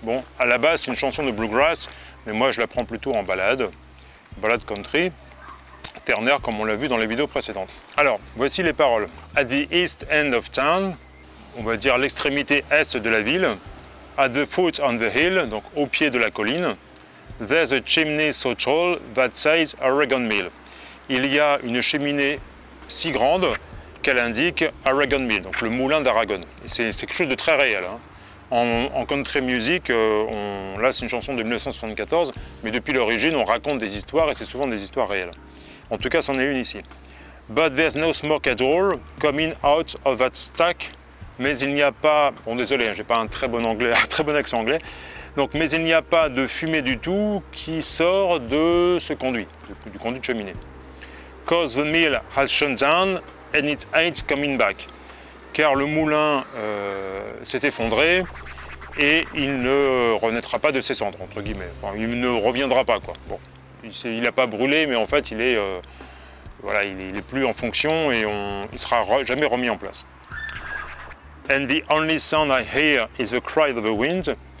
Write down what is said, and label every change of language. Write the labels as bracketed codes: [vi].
[fr] Bon, à la base, c'est une chanson de bluegrass, mais moi, je la prends plutôt en balade. Balade country, ternaire, comme on l'a vu dans les vidéos précédentes. Alors, voici les paroles. [en] At the east end of town, [fr] on va dire l'extrémité est de la ville. [en] At the foot on the hill, [fr] donc au pied de la colline. [en] There's a chimney so tall that says Argonmill. [fr] Il y a une cheminée si grande qu'elle indique Argonmill, donc le moulin d'Aragon. C'est quelque chose de très réel. Hein. En country music, là c'est une chanson de 1974, mais depuis l'origine on raconte des histoires et c'est souvent des histoires réelles. En tout cas, c'en est une ici. [en] But there's no smoke at all coming out of that stack. [fr] Mais il n'y a pas. Bon, désolé, j'ai pas un très bon anglais, un très bon accent anglais. Donc, mais il n'y a pas de fumée du tout qui sort de ce conduit, du conduit de cheminée. [en] Cause the mill has shut down and it ain't coming back. [fr] Car le moulin s'est effondré et il ne renaîtra pas de ses cendres, entre guillemets. Enfin, il ne reviendra pas, quoi. Bon, il n'a pas brûlé, mais en fait, il est plus en fonction et il ne sera jamais remis en place. [en] And the only sound I hear is the cry of the wind.